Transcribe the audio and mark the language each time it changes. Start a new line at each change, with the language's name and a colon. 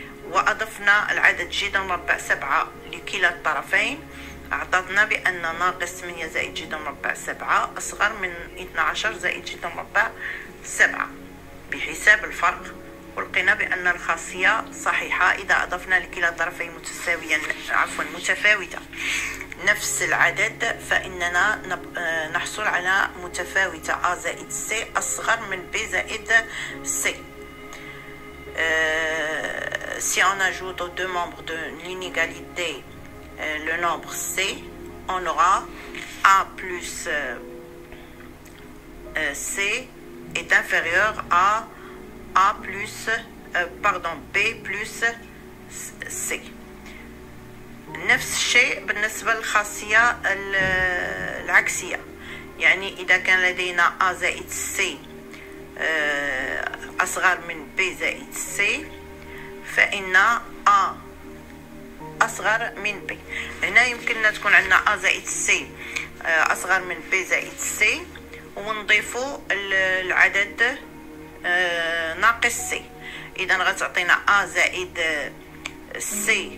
Arabic: وأضفنا العدد جذر مربع 7 لكلا الطرفين أعطتنا بأن ناقص 8 زائد جذر مربع 7 أصغر من 12 زائد جذر مربع 7 بحساب الفرق ولقينا بأن الخاصية صحيحة إذا أضفنا لكلا الطرفين متفاوتة نفس العدد فإننا نحصل على متفاوتة A زائد C أصغر من B زائد C.
French: Si on ajoute aux deux membres de l'inégalité le nombre C, on aura A plus C est inférieur à A plus, B plus C.
Arabic: نفس الشيء بالنسبة للخاصية العكسية يعني إذا كان لدينا A زائد C أصغر من B زائد C فإن A أصغر من B هنا يمكننا تكون عندنا A زائد C أصغر من B زائد C ونضيف العدد ناقص C إذن غتعطينا A زائد C